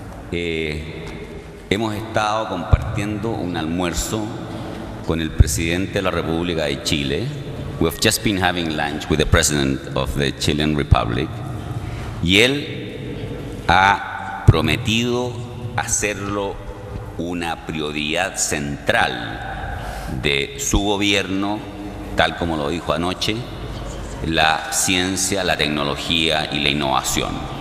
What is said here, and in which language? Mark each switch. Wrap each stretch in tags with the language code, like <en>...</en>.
<es>Hemos estado compartiendo un almuerzo con el presidente de la República de Chile.</es> <en>We've just been having lunch with the president of the Chilean Republic.</en> <es>Y él ha prometido hacerlo una prioridad central de su gobierno, tal como lo dijo anoche, la ciencia, la tecnología y la innovación.</es>